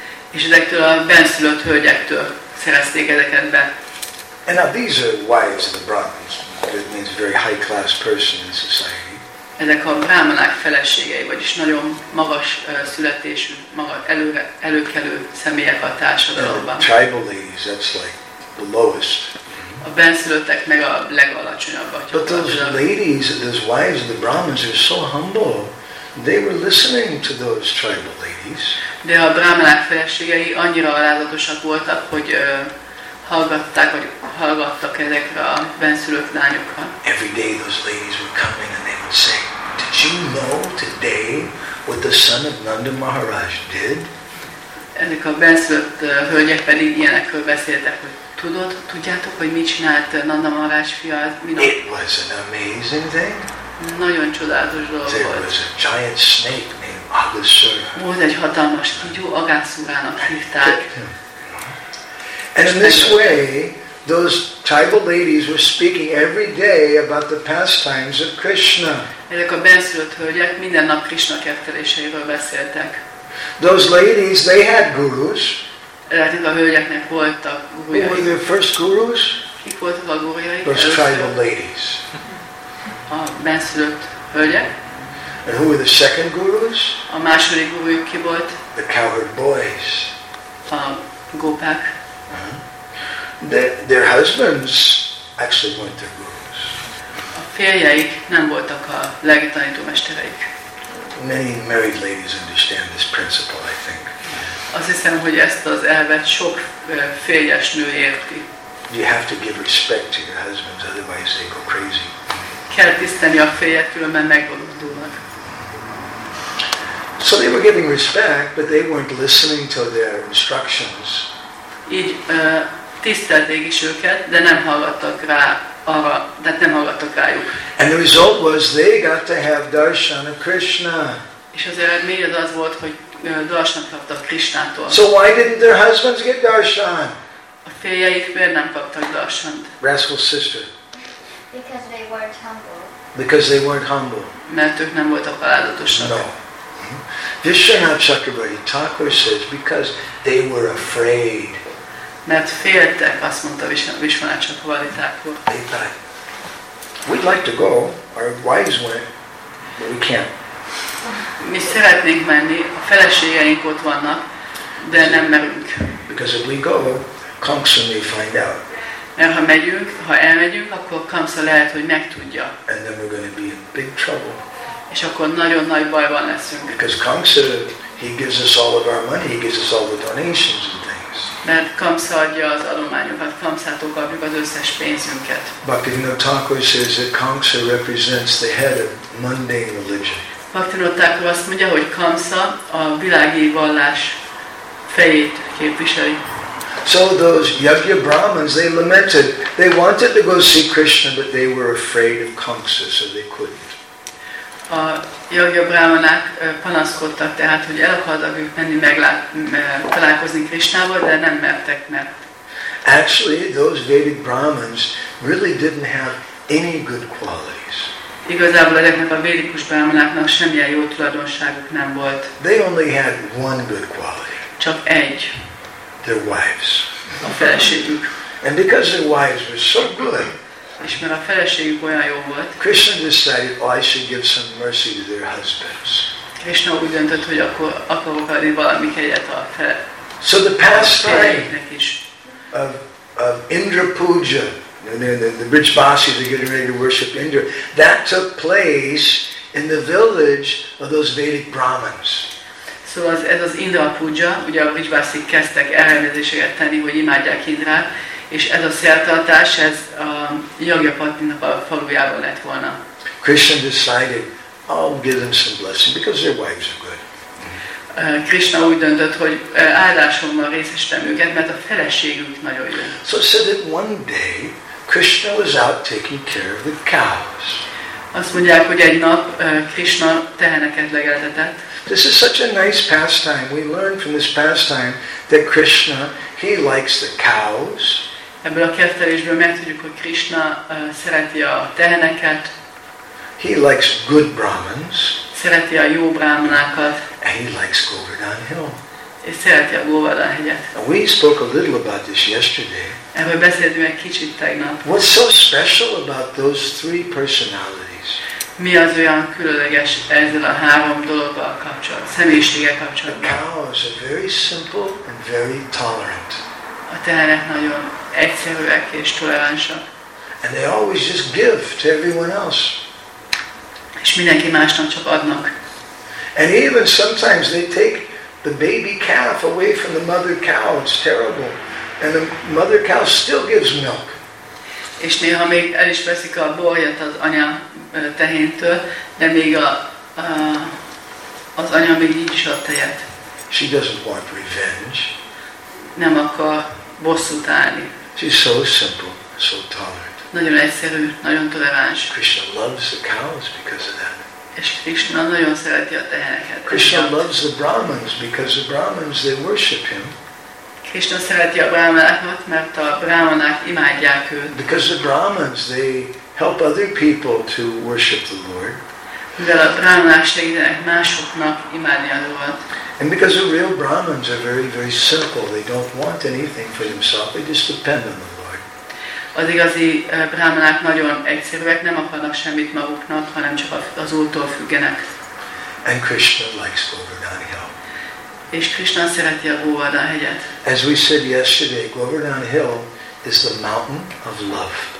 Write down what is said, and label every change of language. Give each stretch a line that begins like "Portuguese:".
Hungarian: És ezektől a benszülött hölgyektől szerezték ezeket be.
English: And now these are wives of the Brahmins. That means a very high class person in society.
Hungarian: Ezek a brahmanák feleségei, vagyis nagyon magas születésű, előkelő személyek a társadalomban.
English: Tribal ladies, that's like the lowest.
Hungarian: A benszülöttek meg a legalacsonyabbak.
English: But those ladies, those wives of the Brahmins are so humble. They were listening to those tribal ladies.
Hungarian: De a brahmanák feleségei annyira alázatosak voltak, hogy hallgattak ezekre a benszülött lányokra.
English: Every day those ladies were coming and they would say, "Did you know today what the son of Nanda Maharaj did?"
Hungarian: Ezek a benszülött hölgyek pedig ilyenekről beszéltek, hogy tudjátok, hogy mit csinált Nanda Maharaj fia minap?
English: It was an amazing thing.
Hungarian: Nagyon csodálatos dolog
English: there
Hungarian: volt.
English: There was a giant snake named Agasura.
Hungarian: Volt egy hatalmas kígyó, Agasurának hívták.
English: And in this way, those tribal ladies were speaking every day about the pastimes of Krishna.
Hungarian: Ezek a benszülött hölgyek minden nap Krishna kedveléseiről beszéltek.
English: Those ladies, they had gurus.
Hungarian: Ezek a hölgyeknek voltak gurujai.
English: Who were their first gurus?
Hungarian: Kik voltak a gurujai?
English: Those tribal ladies.
Hungarian: A benszülött hölgyek.
English: And who were the second gurus?
Hungarian: A második gurujuk ki volt?
English: The cowherd boys.
Hungarian: A gópák.
English: Their husbands actually weren't their gurus.
Hungarian: A férjeik nem voltak a legtanítómestereik.
English: Many married ladies understand this principle, I think.
Hungarian: Azt hiszem, hogy ezt az elvet sok férjes nő érti.
English: You have to give respect to your husbands, otherwise they go crazy.
Hungarian: Kell tisztelni a férjet, különben megborulnak.
English: So they were giving respect, but they weren't listening to their instructions.
Hungarian: Így tisztelték is őket, de nem hallgattak rá arra, de nem hallgattak rájuk.
English: And the result was they got to have darshan of Krishna.
Hungarian: És az eredmény az volt, hogy darshan kaptak Krishnától.
English: So why didn't their husbands get darshan?
Hungarian: A férjeik miért nem kaptak darshant?
English: Rascal sister. Because they weren't humble. Because they weren't humble.
Hungarian: Mert ők nem voltak alázatosak.
English: No. Vishwanath Chakrabarty Thakur says because they were afraid.
Hungarian: Mert féltek, azt mondta Vishwanath Chakrabarty Thakur.
English: They thought, we'd like to go, our wives went, but we can't.
Hungarian: Mi szeretnénk menni, a feleségeink ott vannak, de nem merünk.
English: Because if we go, Kamsa may find out.
Hungarian: Mert ha megyünk, ha elmegyünk, akkor Kamsa lehet, hogy megtudja.
English: And then we're going to be in big trouble.
Hungarian: És akkor nagyon nagy bajban leszünk.
English: Because Kamsa, he gives us all of our money, he gives us all the donations and things.
Hungarian: Mert Kamsa adja az adományokat, Kamsától kapjuk az összes pénzünket.
English: Bhaktivinoda Thakur says that Kamsa represents the head of mundane religion.
Hungarian: Bhaktivinodtákról azt mondja, hogy Kamsa a világi vallás fejét képviseli.
English: So those Yajna Brahmins, they lamented, they wanted to go see Krishna, but they were afraid of Kamsa, so they couldn't.
Hungarian: A Yajna Brahmanák panaszkodtak tehát, hogy el akartak ők menni találkozni Krishnával, de nem mertek, mert.
English: Actually, those Vedic Brahmins really didn't have any good qualities.
Hungarian: Igazából ezeknek a védikus brahmanáknak semmilyen jó tulajdonságuk nem volt.
English: They only had one good quality.
Hungarian: Csak egy.
English: Their wives.
Hungarian: A feleségük.
English: And because their wives were so good. És mert a feleségük olyan jó volt. Krishna decided, oh, I should give some mercy to their husbands.
Hungarian: Krishna úgy döntött, hogy akkor akarok adni valami kegyet a fele.
English: So the pastime of Indra Puja. And then the rich Basis are getting ready to worship Indra. That took place in the village of those Vedic Brahmins.
Hungarian: So ez az Indra Puja, ugye a rich Basis kezdtek elrendezéseket tenni, hogy imádják Indrát, és ez a szertartás, ez a Jagyapatinak a falujában lett volna.
English: Krishna decided, I'll give them some blessing because their wives are good.
Hungarian: Krishna úgy döntött, hogy áldásommal részesítem őket, mert a feleségük nagyon jó.
English: So said that one day, Krishna was out taking care of the cows.
Hungarian: Azt mondják, hogy egy nap Krishna teheneket legeltetett.
English: This is such a nice pastime. We learn from this pastime that Krishna, he likes the cows.
Hungarian: Ebből a kertelésből megtudjuk, hogy Krishna szereti a teheneket.
English: He likes good Brahmins.
Hungarian: Szereti a jó brahmanákat.
English: And he likes Govardhan Hill.
Hungarian: És szereti a Govardhan hegyet.
English: We spoke a little about this yesterday.
Hungarian: Erről beszéltünk egy kicsit tegnap.
English: What's so special about those three personalities?
Hungarian: Mi az olyan különleges ezzel a három dologgal kapcsolatban, személyiséggel kapcsolatban?
English: The cows are very simple and very tolerant.
Hungarian: A tehenek nagyon egyszerűek és toleránsak.
English: And they always just give to everyone else.
Hungarian: És mindenki másnak csak adnak.
English: And even sometimes they take the baby calf away from the mother cow. It's terrible. And the mother cow still gives milk.
Hungarian: És néha még el is veszik a borjat az anya tehéntől, de még az anya még így is ad tejet.
English: She doesn't want revenge.
Hungarian: Nem akar bosszút állni.
English: She's so simple, so tolerant.
Hungarian: Nagyon egyszerű, nagyon toleráns.
English: Krishna loves the cows because of that.
Hungarian: És Krishna nagyon szereti a teheneket.
English: Krishna loves the Brahmins because the Brahmins, they worship him.
Hungarian: Krishna szereti a brahmanákat, mert a brahmanák imádják őt.
English: Because the Brahmins, they help other people to worship the Lord.
Hungarian: Mivel a brahmanák segítenek másoknak imádni az Urat.
English: And because the real Brahmins are very, very simple. They don't want anything for themselves. They just depend on the Lord.
Hungarian: Az igazi brahmanák nagyon egyszerűek, nem akarnak semmit maguknak, hanem csak az Úrtól függenek.
English: And Krishna likes Govardhan Hill.
Hungarian: És Krishna szereti a Govardhan hegyet.
English: As we said yesterday, Govardhan Hill is the mountain of love.